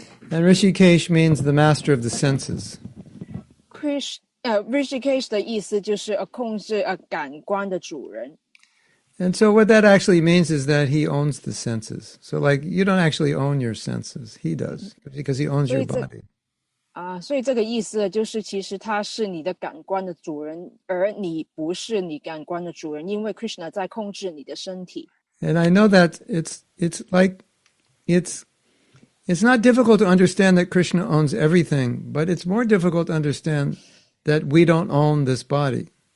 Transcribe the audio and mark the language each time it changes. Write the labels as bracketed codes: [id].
[en] And Rishikesh means the master of the senses. [zh] Rishikesh的意思就是控制感官的主人. [en] And so what that actually means is that he owns the senses. So like, you don't actually own your senses. He does, because he owns your body. [zh] 所以这个意思就是其实他是你的感官的主人，而你不是你感官的主人，因为Krishna在控制你的身体。 [en] And I know that it's not difficult to understand that Krishna owns everything, but it's more difficult to understand that we don't own this body.